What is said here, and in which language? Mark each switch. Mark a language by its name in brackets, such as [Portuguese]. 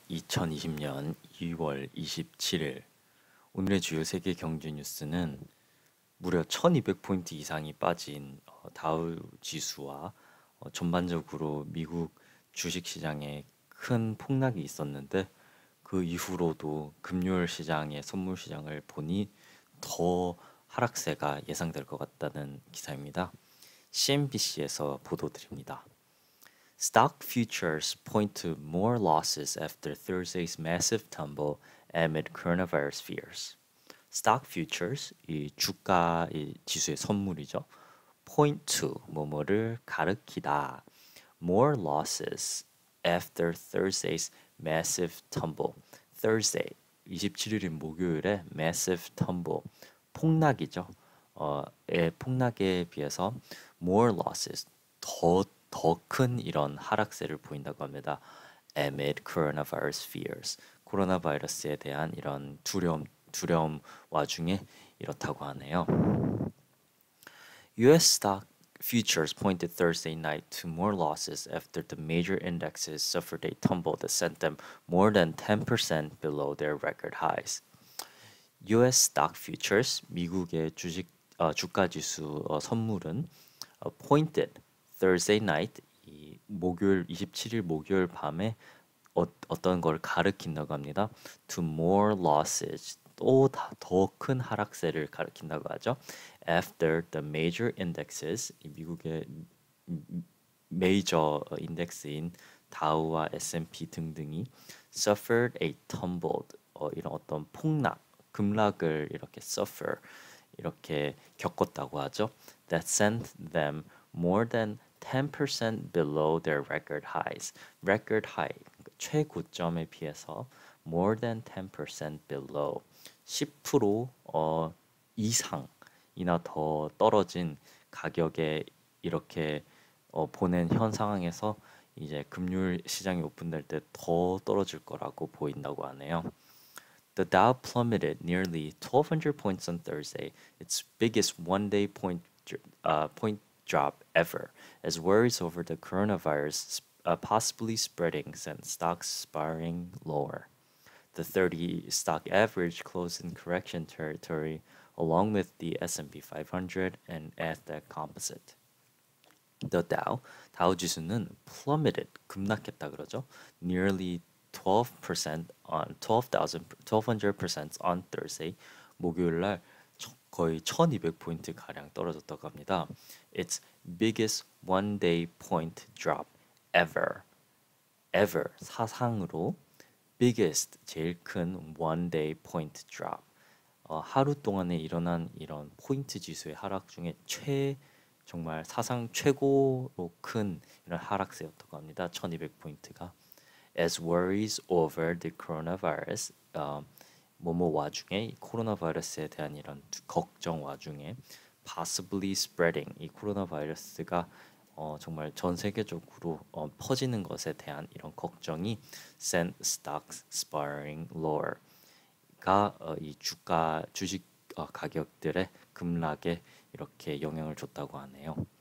[Korean] 2020년 2월 27일 오늘의 주요 세계 경제 뉴스는 무려 1200포인트 이상이 빠진 다우 지수와 전반적으로 미국 주식시장에 큰 폭락이 있었는데 그 이후로도 금요일 시장의 선물 시장을 보니 더 하락세가 예상될 것 같다는 기사입니다. CNBC에서 보도드립니다. [English] Stock futures point to more losses after Thursday's massive tumble amid coronavirus fears. Stock futures, [Korean] 이 주가 이 지수의 선물이죠. [English] Point to [Korean] 뭐뭐를 가리키다. [English] More losses after Thursday's massive tumble. [Korean] Thursday, 27일인 목요일에 [English] massive tumble, [Korean] 폭락이죠. 폭락에 비해서 [English] more losses, [Korean] 더큰 이런 하락세를 보인다고 합니다. [English] Amid coronavirus fears, [Korean] 코로나 바이러스에 대한 이런 두려움 와중에 이렇다고 하네요. [English] U.S. stock futures pointed Thursday night to more losses after the major indexes suffered a tumble that sent them more than 10% below their record highs. U.S. stock futures, [Korean] 미국의 주가 지수 선물은 [English] pointed Thursday night, [Korean] 목요일 27일 목요일 밤에 어떤 걸 가리킨다고 합니다. [English] To more losses, [Korean] 또다더큰 하락세를 가리킨다고 하죠. [English] After the major indexes, [Korean] 미국의 메이저 인덱스인 다우와 S&P 등등이 [English] suffered a tumbled, [Korean] 이런 어떤 폭락, 급락을 이렇게 suffer, 이렇게 겪었다고 하죠. [English] That sent them more than 10% below their record highs. [Korean] Record high, 최고점에 비해서 [English] more than 10% below, [Korean] 10% 이상이나 더 떨어진 가격에 이렇게 보낸 현 상황에서 이제 금요일 시장이 오픈될 때더 떨어질 거라고 보인다고 하네요. [English] The Dow plummeted nearly 1,200 points on Thursday, its biggest one-day point drop ever, as worries over the coronavirus possibly spreading sent stocks spiraling lower. The 30 stock average closed in correction territory, along with the S&P 500 and NASDAQ composite. [Korean] The Dow 지수는 plummeted, 급락했다 그러죠. [English] Nearly 12% on 1200% on Thursday, [Korean] 목요일날 거의 1200포인트 가량 떨어졌다고 합니다. [English] It's biggest one day point drop ever. Ever [Korean] 사상으로 [English] biggest [Korean] 제일 큰 [English] one day point drop. [Korean] 하루 동안에 일어난 이런 포인트 지수의 하락 중에 정말 사상 최고로 큰 이런 하락세였다고 합니다. 1200포인트가. [English] As worries over the coronavirus, [Korean] 뭐뭐 와중에 코로나 바이러스에 대한 이런 걱정 와중에 [English] possibly spreading [Korean] 이 코로나 바이러스가 정말 전 세계적으로 퍼지는 것에 대한 이런 걱정이 [English] sent stocks spiraling lower [Korean] 가 이 주가 주식 가격들의 급락에 이렇게 영향을 줬다고 하네요.